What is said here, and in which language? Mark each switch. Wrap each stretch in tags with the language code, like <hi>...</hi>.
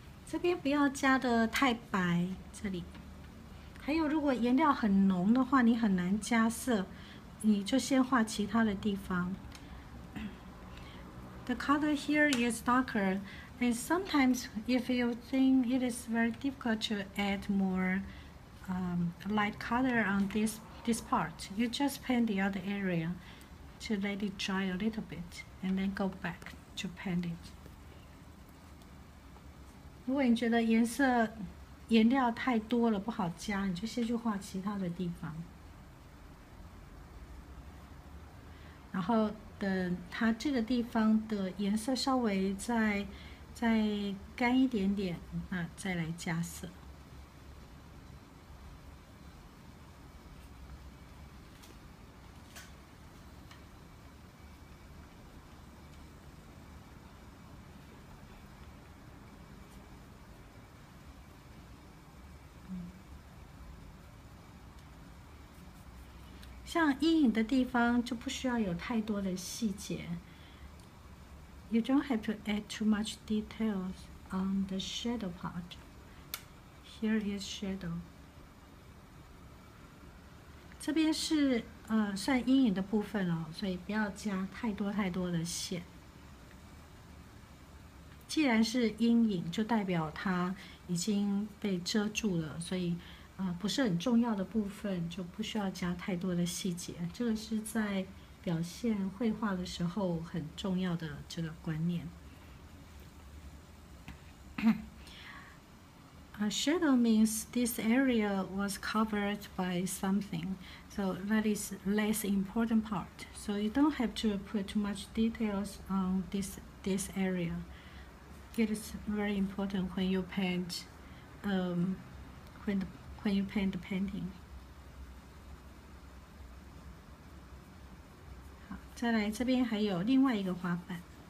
<zh>这边不要加得太白，这里。还有，如果颜料很浓的话，你很难加色，你就先画其他的地方。</zh> <en>The color here is darker, and sometimes if you think it is very difficult to add more light color on this part, you just paint the other area to let it dry a little bit, and then go back to paint it.</en> <zh>如果你觉得颜色颜料太多了不好加，你就先去画其他的地方。然后等它这个地方的颜色稍微再干一点点，那再来加色。像阴影的地方就不需要有太多的细节。</zh> <en>You don't have to add too much details on the shadow part. Here is shadow.</en> <zh>这边是算阴影的部分哦，所以不要加太多的线。既然是阴影，就代表它已经被遮住了，所以。不是很重要的部分，就不需要加太多的细节。这个是在表现绘画的时候很重要的这个观念。</zh> <en>shadow means this area was covered by something, so that is less important part. So you don't have to put too much details on this area. It is very important when you paint, when you paint the painting，</en> <zh>好，再来这边还有另外一个花瓣。</zh>